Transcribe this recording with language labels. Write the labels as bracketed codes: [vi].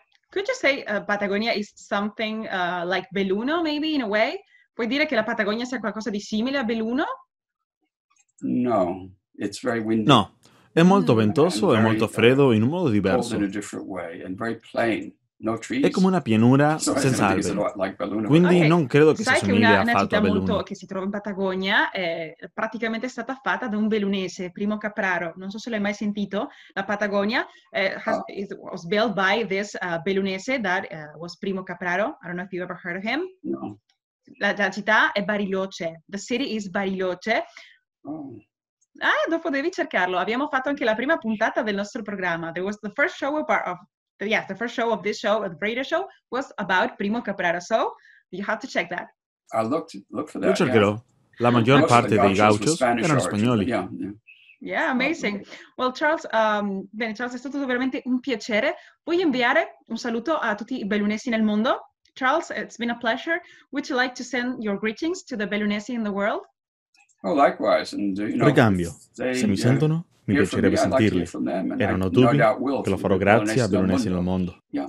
[en] Could you say Patagonia is something like Belluno, maybe, in a way? [it] Puoi dire che la Patagonia sia qualcosa di simile a Belluno? [en] No, it's very windy. [it] No, è molto ventoso, è molto freddo in un modo diverso. È come una pianura senza alberi. Quindi non credo che si somigli affatto a Belluno. Una città che si trova in Patagonia è praticamente stata fatta da un bellunese, Primo Capraro. Non so se l'hai mai sentito. [en] La Patagonia was built by this bellunese that was Primo Capraro. I don't know if you ever heard of him. No. [it] La città è Bariloche. [en] The city is Bariloche. Oh. [it] Ah, dopo devi cercarlo. Abbiamo fatto anche la prima puntata del nostro programma. There was the first show part of the first show of this show, the radio show, was about Primo Capraro. So you have to check that. I looked for that. Lo cercherò. La maggior parte dei gauchos erano spagnoli. [en] Yeah, amazing. Well, [it] Charles, Charles, è stato veramente un piacere. Puoi inviare un saluto a tutti i bellunesi nel mondo? [en] Charles, it's been a pleasure. Would you like to send your greetings to the bellunesi in the world? Oh, likewise. And, you know, [it] ricambio. Se mi sentono? Mi piacerebbe sentirli. Erano dubbi che lo farò grazie a bellunesi nel mondo.